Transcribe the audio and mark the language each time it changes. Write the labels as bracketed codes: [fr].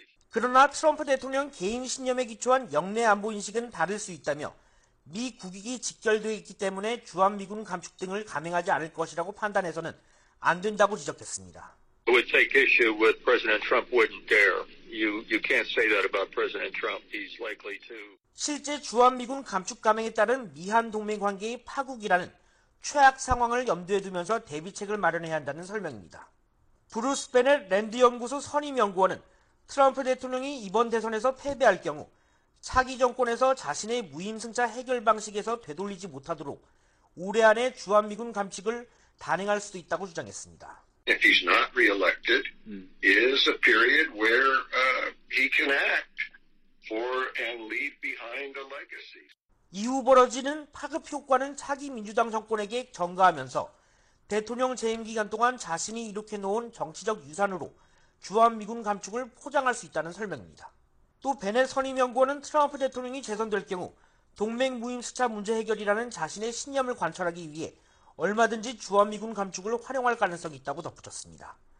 [ko] 그러나 트럼프 대통령 개인 신념에 기초한 영내 안보 인식은 다를 수 있다며 미 국익이 직결되어 있기 때문에 주한미군 감축 등을 감행하지 않을 것이라고 판단해서는 안 된다고 지적했습니다. [en] I would take issue with President Trump wouldn't dare. You can't say that about President Trump. He's likely to. [ko] 실제 주한미군 감축 감행에 따른 미한 동맹 관계의 파국이라는 최악 상황을 염두에 두면서 대비책을 마련해야 한다는 설명입니다. 브루스 베넷 랜드 연구소 선임 연구원은 트럼프 대통령이 이번 대선에서 패배할 경우 차기 정권에서 자신의 무임승차 해결 방식에서 되돌리지 못하도록 올해 안에 주한미군 감축을 단행할 수도 있다고 주장했습니다. [en] If he's not re-elected, is a period where he can act for and leave behind a legacy. [ko] 이후 벌어지는 파급 효과는 차기 민주당 정권에게 전가하면서 대통령 재임 기간 동안 자신이 이렇게 놓은 정치적 유산으로 주한미군 감축을 포장할 수 있다는 설명입니다. 또 베넷 선임 연구원은 트럼프 대통령이 재선될 경우 동맹 무임승차 문제 해결이라는 자신의 신념을 관철하기 위해 얼마든지 주한미군 감축을 활용할 가능성이 있다고 덧붙였습니다.